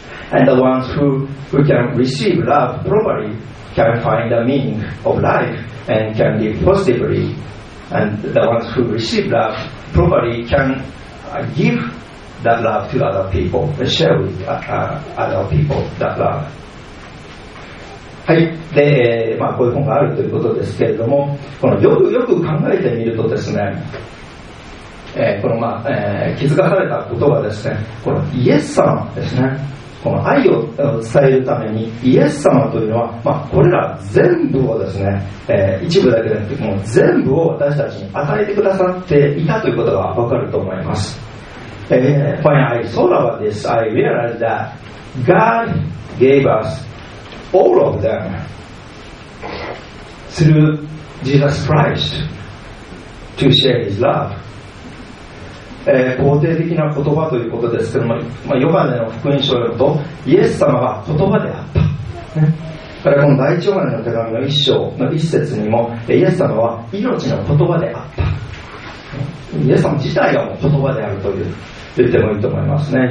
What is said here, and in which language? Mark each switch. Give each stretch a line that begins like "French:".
English: And the ones who can receive love properly can find the meaning of life and can live positively. And the ones who receive love properly can give. That love to other people, share with other people that love.
Japanese: はい、で、まあ、こういう本があるということですけれども、このよく考えてみるとですね、このまあ、気づかされたことはですね、このイエス様ですね、この愛を伝えるためにイエス様というのは、まあ、これら全部をですね、一部だけでなくて、もう全部を私たちに与えてくださっていたということがわかると思います。
English: When I thought about this, I realized that God gave us all of them through Jesus Christ to share His love.
Japanese: 肯定的な言葉ということですけども、まあ、ヨハネの福音書によると、イエス様は言葉であった。だからこの第一ヨハネの手紙の一章の一節にも、イエス様は命の言葉であった。イエス様自体がもう言葉であるという。言ってもいいと思いますね。